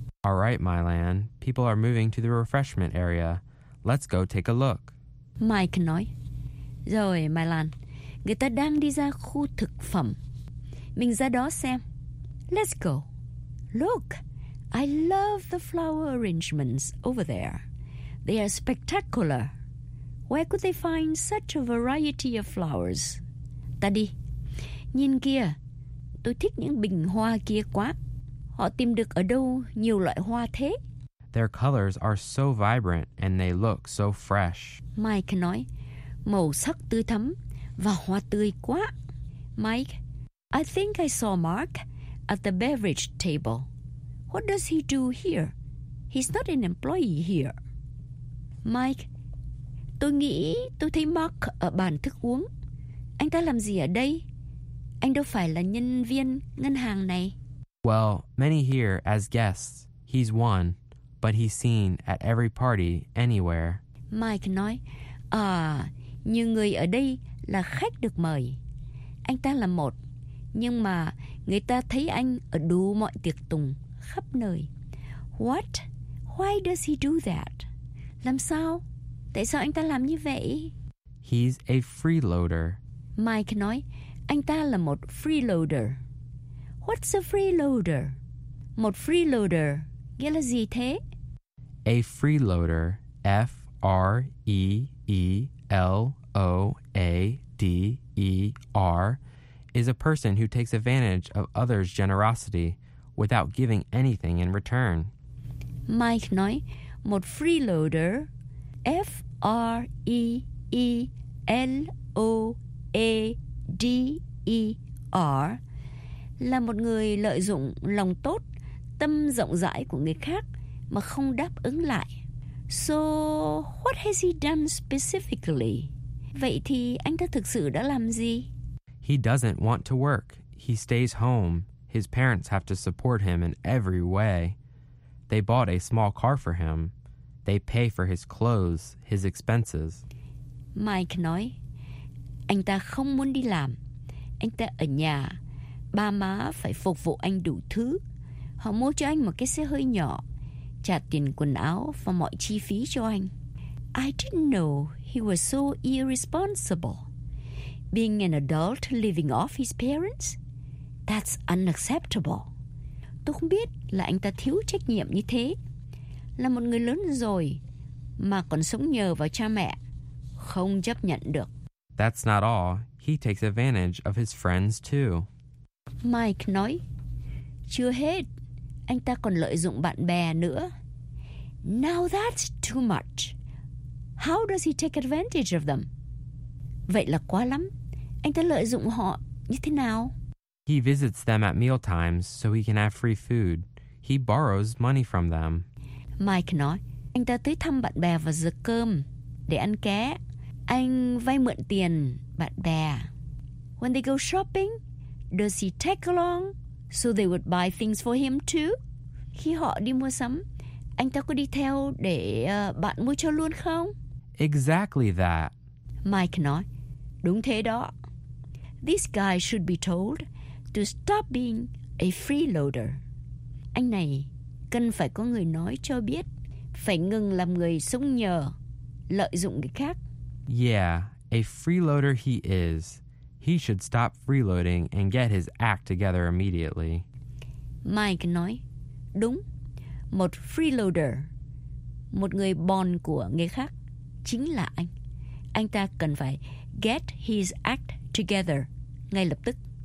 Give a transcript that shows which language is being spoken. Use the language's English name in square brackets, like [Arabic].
[English] All right, Mylan. People are moving to the refreshment area. Let's go take a look. [Vietnamese] Mike nói. Rồi, Mylan. Người ta đang đi ra khu thực phẩm. Mình ra đó xem. [English] Let's go. Look. I love the flower arrangements over there. They are spectacular. Where could they find such a variety of flowers? [Vietnamese] Ta đi. Nhìn kìa. Tôi thích những bình hoa kia quá. Họ tìm được ở đâu nhiều loại hoa thế? [English] Their colors are so vibrant and they look so fresh. [Vietnamese] Mike nói, màu sắc tươi thắm và hoa tươi quá. [English] Mike, I think I saw Mark at the beverage table. What does he do here? He's not an employee here. [Vietnamese] Mike, tôi nghĩ tôi thấy Mark ở bàn thức uống. Anh ta làm gì ở đây? Anh đâu phải là nhân viên ngân hàng này. [English] Well, many here as guests. He's one, but he's seen at every party anywhere. [Vietnamese] Mike nói, à, như người ở đây là khách được mời. Anh ta là một, nhưng mà người ta thấy anh ở đủ mọi tiệc tùng, khắp nơi. [English] What? Why does he do that? [Vietnamese] Làm sao? Tại sao anh ta làm như vậy? [English] He's a freeloader. [Vietnamese] Mike nói, anh ta là một freeloader. [English] What's a freeloader? [Vietnamese] Một freeloader nghĩa là gì thế? [English] A freeloader, F-R-E-E-L-O-A-D-E-R, is a person who takes advantage of others' generosity without giving anything in return. [Vietnamese] Mike nói, một freeloader, F-R-E-E-L-O-A-D-E-R, là một người lợi dụng lòng tốt, tâm rộng rãi của người khác mà không đáp ứng lại. [English] So, what has he done specifically? [Vietnamese] Vậy thì anh ta thực sự đã làm gì? [English] He doesn't want to work. He stays home. His parents have to support him in every way. They bought a small car for him. They pay for his clothes, his expenses. [Vietnamese] Mike nói, anh ta không muốn đi làm. Anh ta ở nhà. Ba má phải phục vụ anh đủ thứ. Họ mua cho anh một cái xe hơi nhỏ, trả tiền quần áo và mọi chi phí cho anh. [English] I didn't know he was so irresponsible. Being an adult living off his parents? That's unacceptable. [Vietnamese] Tôi không biết là anh ta thiếu trách nhiệm như thế. là một người lớn rồi mà còn sống nhờ vào cha mẹ, không chấp nhận được. [English] That's not all. He takes advantage of his friends too. [Vietnamese] Mike nói, chưa hết, anh ta còn lợi dụng bạn bè nữa. [English] Now that's too much. How does he take advantage of them? [Vietnamese] Vậy là quá lắm. Anh ta lợi dụng họ như thế nào? [English] He visits them at mealtimes so he can have free food. He borrows money from them. [Vietnamese] Mike nói, anh ta tới thăm bạn bè vào giờ cơm để ăn ké. Anh vay mượn tiền bạn bè. [English] When they go shopping, does he take along so they would buy things for him too? [Vietnamese] Khi họ đi mua sắm, anh ta có đi theo để bạn mua cho luôn không? [English] Exactly that. [Vietnamese] Mike nói, đúng thế đó. [English] This guy should be told to stop being a freeloader. [Vietnamese] Anh này cần phải có người nói cho biết, phải ngừng làm người sống nhờ, lợi dụng người khác. [English] Yeah, a freeloader he is. He should stop freeloading and get his act together immediately. [Vietnamese] Mike nói, đúng, một freeloader, một người bòn của người khác, chính là anh. Anh ta cần phải [English] get his act together [Vietnamese] ngay lập tức.